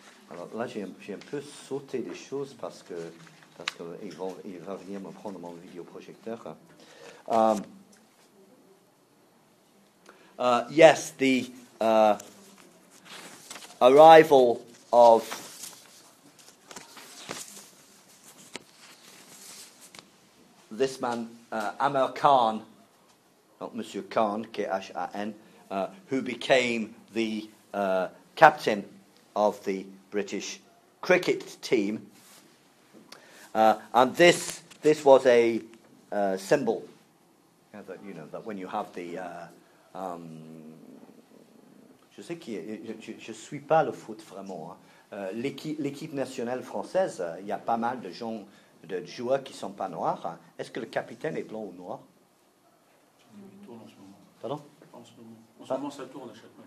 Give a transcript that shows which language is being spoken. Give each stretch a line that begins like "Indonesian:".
French: Alors là, j'ai un peu sauté des choses parce que il va venir me prendre mon vidéoprojecteur.
English: Yes, the arrival of this man, Amir Khan, not Monsieur Khan, K-H-A-N, who became the captain of the British cricket team. And this was a symbol, yeah, that, you know, that when you have the...
French: je sais qui je suis pas le foot vraiment. Hein. L'équipe nationale française, il y a pas mal de gens, de joueurs qui sont pas noirs. Hein. Est-ce que le capitaine est blanc ou noir? Ça tourne en ce moment. Pardon? En ce moment, ça tourne à chaque match.